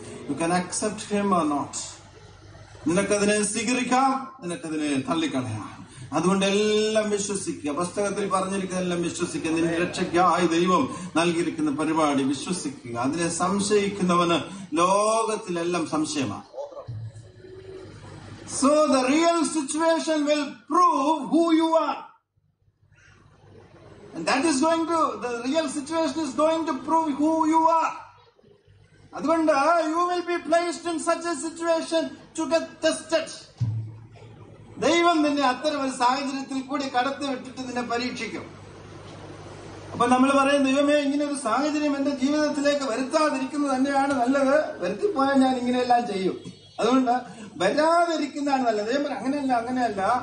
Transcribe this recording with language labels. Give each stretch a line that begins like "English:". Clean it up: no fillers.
English: You can accept him or not.
Malayalam: നിനക്കതിനെ സ്വീകരിക്കാം, നിനക്കതിനെ തള്ളിക്കളയാം. അതുകൊണ്ട് എല്ലാം വിശ്വസിക്കുക, പുസ്തകത്തിൽ പറഞ്ഞിരിക്കുന്നതെല്ലാം വിശ്വസിക്കുക. നിന്റെ രക്ഷയ്ക്കായി ദൈവം നൽകിയിരിക്കുന്ന പരിപാടി വിശ്വസിക്കുക. അതിനെ സംശയിക്കുന്നവന് ലോകത്തിലെല്ലാം സംശയമാണ്.
English: So the real situation will prove who you are. And that is going to, the real situation is going to prove who you are.
Malayalam: Adhukonda,
English: you will be placed in such a situation to get tested.
Malayalam: ദൈവം നിന്നെ അത്തരം ഒരു സാഹചര്യത്തിൽ കൂടി കടത്തി വിട്ടിട്ട് നിന്നെ പരീക്ഷിക്കും. അപ്പൊ നമ്മൾ പറയും, ദൈവമേ ഇങ്ങനെ ഒരു സാഹചര്യം എന്റെ ജീവിതത്തിലേക്ക് വരുത്താതിരിക്കുന്നത് തന്നെയാണ് നല്ലത്, വരുത്തിപ്പോയാൽ ഞാൻ ഇങ്ങനെയെല്ലാം ചെയ്യും. അതുകൊണ്ട് വരാതിരിക്കുന്നതാണ് നല്ലത്. ദൈവം അങ്ങനെയല്ല, അങ്ങനെയല്ല.